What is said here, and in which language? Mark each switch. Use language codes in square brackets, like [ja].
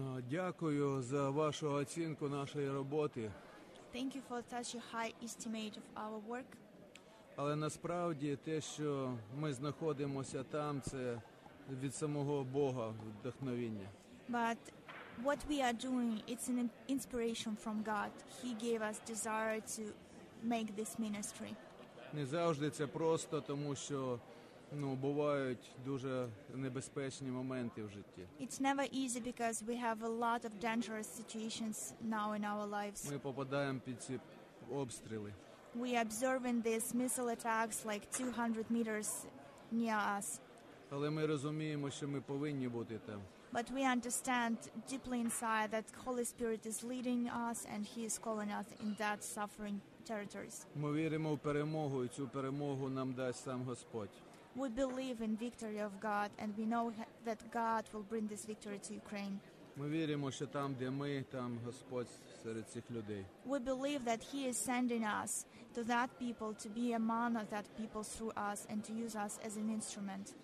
[uk] Дякую за вашу оцінку нашої роботи. [en] Thank you for such a high estimate of our work. [uk] Але насправді те, що ми знаходимося там, це від самого Бога вдохновення. [en] But what we are doing, it's an inspiration from God. He gave us desire to make this ministry. [uk] Не завжди це просто, тому що бувають дуже небезпечні моменти в житті. [en] It's never easy because we have a lot of dangerous situations now in our lives. [uk] Ми попадаємо під ці обстріли. [en] We are observing these missile attacks like 200 meters near us. [uk] Але ми розуміємо, що ми повинні бути там. [en] But we understand deeply inside that Holy Spirit is leading us and He is calling us in that suffering territories. [uk] Ми віримо в перемогу, і цю перемогу нам дасть сам Господь. [en] We believe in victory of God and we know that God will bring this victory to Ukraine. [uk] Ми віримо, що там, де ми, там Господь серед цих людей. [en] We believe that He is sending us to that people to be among that people through us and to use us as an instrument.